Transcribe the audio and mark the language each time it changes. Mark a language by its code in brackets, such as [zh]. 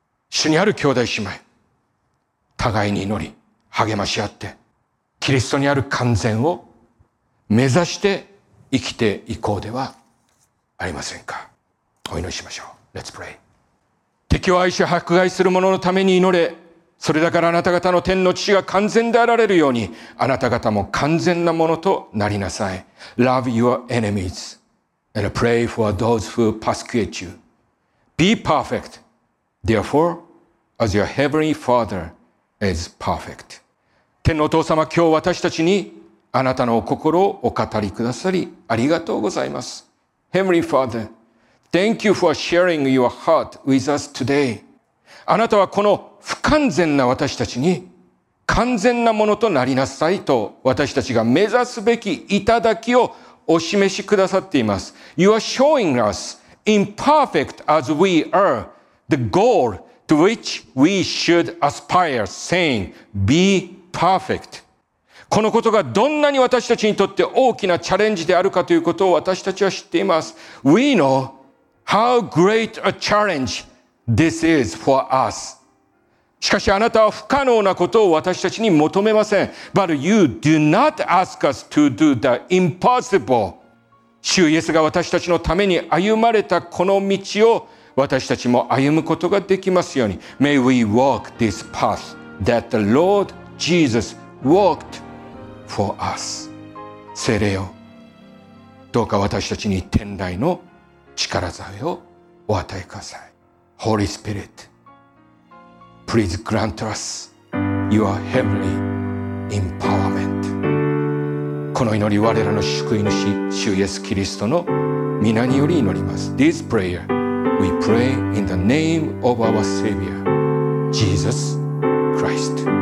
[ja] 主にある兄弟姉妹、互いに祈り励まし合ってキリストにある完全を目指して生きていこうではありませんか。お祈りしましょう。 [en] Let's pray。 [ja] 敵を愛し迫害する者のために祈れ。それだからあなた方の天の父が完全であられるように、あなた方も完全なものとなりなさい。 [en] Love your enemies and pray for those who persecute you. Be perfect, therefore, as your heavenly Father is perfect. [ja] 天のお父様、今日私たちにあなたのお心をお語りくださりありがとうございます。 [en] Heavenly Father, thank you for sharing your heart with us today. [ja] あなたはこの不完全な私たちに完全なものとなりなさいと、私たちが目指すべき頂をお示しくださっています。 [en] You are showing us, imperfect as we are, the goal to which we should aspire, saying, be perfect. [ja] このことがどんなに私たちにとって大きなチャレンジであるかということを私たちは知っています。 [en] We know how great a challenge this is for us. [ja] しかしあなたは不可能なことを私たちに求めません。 [en] But you do not ask us to do the impossible. [ja] 主イエスが私たちのために歩まれたこの道を私たちも歩むことができますように。 [en] May we walk this path that the Lord Jesus walked for us. [ja] 聖霊よ、どうか私たちに天来の力添えをお与えください。 [en] Holy Spirit, please grant us your heavenly empowerment. [ja] この祈り、我らの救い主、主イエスキリストの御名により祈ります。 [en] This prayer we pray in the name of our Savior, Jesus Christ.